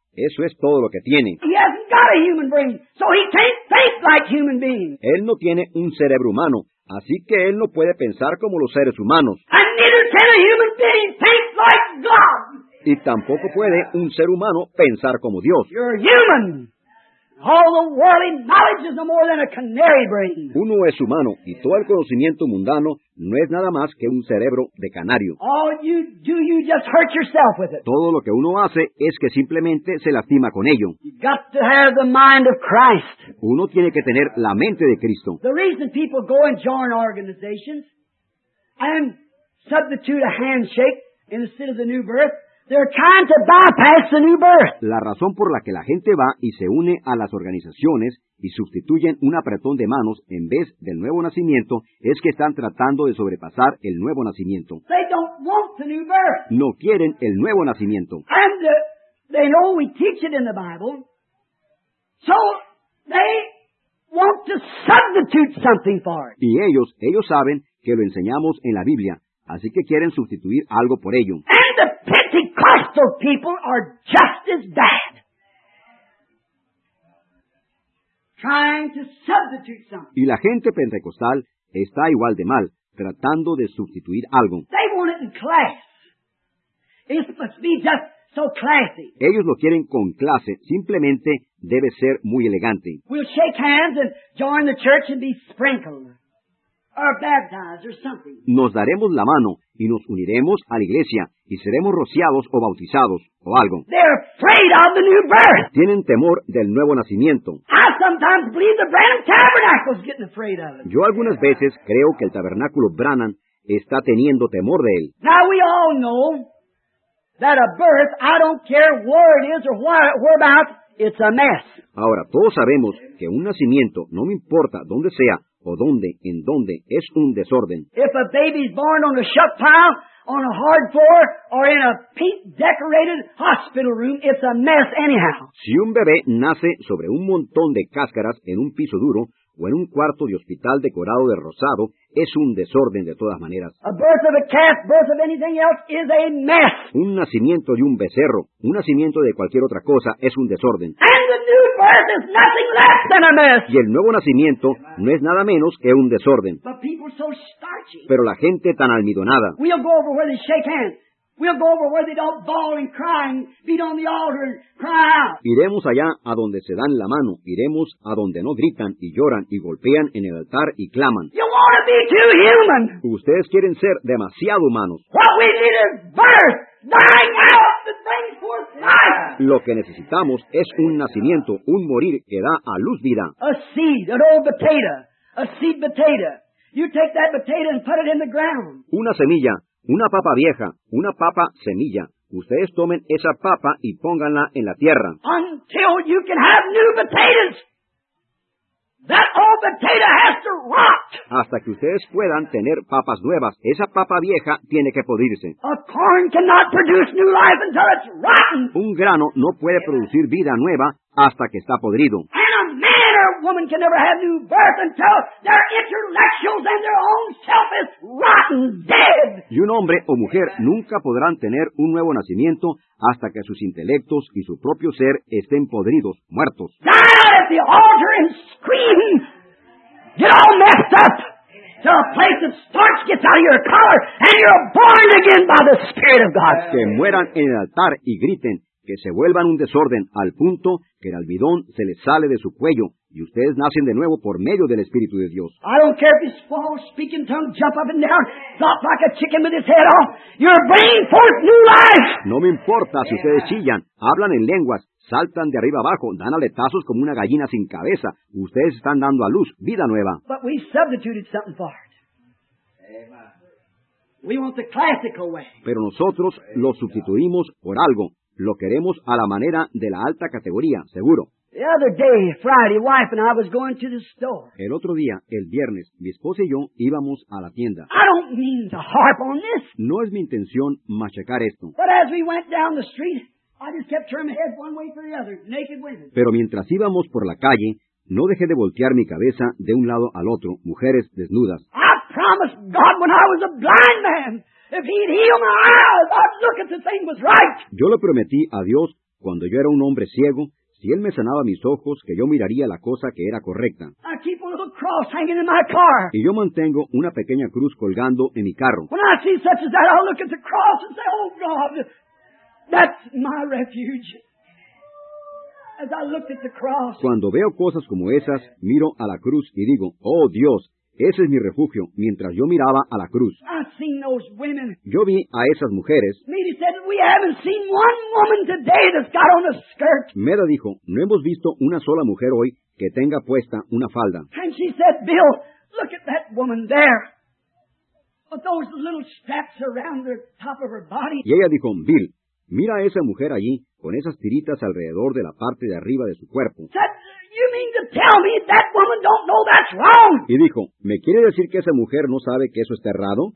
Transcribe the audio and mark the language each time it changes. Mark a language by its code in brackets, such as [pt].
[es] Eso es todo lo que tiene. [en] He hasn't got a human brain, so he can't think like human beings. [es] Él no tiene un cerebro humano, así que él no puede pensar como los seres humanos. [en] And neither can a human being think like God. [es] Y tampoco puede un ser humano pensar como Dios. [en] You're human. All the worldly knowledge is no more than a canary brain. [es] Uno es humano, y todo el conocimiento mundano no es nada más que un cerebro de canario. [en] All you do, you just hurt yourself with it. [es] Todo lo que uno hace es que simplemente se lastima con ello. [en] You've got to have the mind of Christ. [es] Uno tiene que tener la mente de Cristo. [en] The reason people go and join organizations and substitute a handshake instead of the new birth, they're trying to bypass the new birth. [es] La razón por la que la gente va y se une a las organizaciones y sustituyen un apretón de manos en vez del nuevo nacimiento es que están tratando de sobrepasar el nuevo nacimiento. [en] They don't want the new birth. [es] No quieren el nuevo nacimiento. [en] And they know we teach it in the Bible. So they want to substitute something for it. [es] Y ellos saben que lo enseñamos en la Biblia, así que quieren sustituir algo por ello. [en] And the Pentecostal people are just as bad. Trying to substitute something. [es] Y la gente pentecostal está igual de mal, tratando de sustituir algo. [en] They want it in class. It must be just so classy. [es] Ellos lo quieren con clase, simplemente debe ser muy elegante. [en] We'll shake hands and join the church and be sprinkled. Or baptized or something. [es] Nos daremos la mano y nos uniremos a la iglesia y seremos rociados o bautizados o algo. [en] They're afraid of the new birth. [es] Tienen temor del nuevo nacimiento. [en] I sometimes believe the Branham Tabernacle is getting afraid of it. [es] Yo algunas veces creo que el tabernáculo Branham está teniendo temor de él. [en] Now we all know that a birth, I don't care where it is or whereabouts, it's a mess. [es] Ahora, todos sabemos que un nacimiento, no me importa dónde sea o dónde, en dónde es un desorden. [en] If a baby's born on a shut pile, on a hard floor, or in a peat-decorated hospital room, it's a mess anyhow. [es] Si un bebé nace sobre un montón de cáscaras en un piso duro o en un cuarto de hospital decorado de rosado, es un desorden de todas maneras. [en] A birth of a calf, birth of anything else, is a mess. [es] Un nacimiento de un becerro, un nacimiento de cualquier otra cosa, es un desorden. [en] And the new birth is nothing less than a mess. [es] Y el nuevo nacimiento no es nada menos que un desorden. [en] But people so starchy. [es] Pero la gente tan almidonada. [en] We'll go over where they shake hands. We'll go over where they don't bawl and cry and beat on the altar and cry out. [es] Iremos allá a donde se dan la mano. Iremos a donde no gritan y lloran y golpean en el altar y claman. [en] You want to be too human. [es] Ustedes quieren ser demasiado humanos. [en] What we need is birth, dying out the things for life. [es] Lo que necesitamos es un nacimiento, un morir que da a luz vida. [en] A seed, an old potato, a seed potato. You take that potato and put it in the ground. [es] Una semilla. Una papa vieja, una papa semilla. Ustedes tomen esa papa y pónganla en la tierra. [en] Until you can have new potatoes, that old potato has to rot. [es] Hasta que ustedes puedan tener papas nuevas, esa papa vieja tiene que podrirse. [en] A corn cannot produce new life until it's rotten. [es] Un grano no puede producir vida nueva hasta que está podrido. [en] Woman can never have new birth until their intellectuals and their own self is rotten dead. [es] Y un hombre o mujer nunca podrán tener un nuevo nacimiento hasta que sus intelectos y su propio ser estén podridos, muertos. [en] Die at the altar and scream. Get all messed up. To a place of starch gets out of your collar and you're born again by the Spirit of God. [es] Que mueran en el altar y griten. Que se vuelvan un desorden al punto que el almidón se les sale de su cuello y ustedes nacen de nuevo por medio del Espíritu de Dios. [en] I don't care if he's fall, speaking tongue, jump up and down, flop like a chicken with his head off. You're bringing forth new life. [es] No me importa si ustedes chillan, hablan en lenguas, saltan de arriba abajo, dan aletazos como una gallina sin cabeza. Ustedes están dando a luz vida nueva. [en] But we substituted something for it. We want the classical way. [es] Pero nosotros lo sustituimos por algo. Lo queremos a la manera de la alta categoría, seguro. [en] The other day, Friday, wife and I was going to the store. [es] El otro día, el viernes, mi esposa y yo íbamos a la tienda. [en] I don't mean to harp on this. [es] No es mi intención machacar esto. [en] But as we went down the street, I just kept turning my head one way for the other, naked women. [es] Pero mientras íbamos por la calle, no dejé de voltear mi cabeza de un lado al otro, mujeres desnudas. [en] I promised God when I was a blind man. If he'd heal my eyes, I'd look at the thing was right. [es] Yo le prometí a Dios cuando yo era un hombre ciego, si él me sanaba mis ojos, que yo miraría la cosa que era correcta. [en] I keep a little cross hanging in my car. [es] Y yo mantengo una pequeña cruz colgando en mi carro. [en] When I see such as that, I'll look at the cross and say, "Oh God, that's my refuge." As I looked at the cross. [es] Cuando veo cosas como esas, miro a la cruz y digo, "Oh Dios, ese es mi refugio", mientras yo miraba a la cruz. [en] I've seen those women. [es] Yo vi a esas mujeres. [en] Mary said, "We haven't seen one woman today that's got on a skirt." [es] Mera dijo, "No hemos visto una sola mujer hoy que tenga puesta una falda." [en] And she said, "Bill, look at that woman there. With those little straps around the top of her body." [es] Y ella dijo, "Bill, mira a esa mujer allí con esas tiritas alrededor de la parte de arriba de su cuerpo." [en] Said, "You mean to tell me that woman don't know that's wrong?" [es] Y dijo, "¿Me quiere decir que esa mujer no sabe que eso está errado?"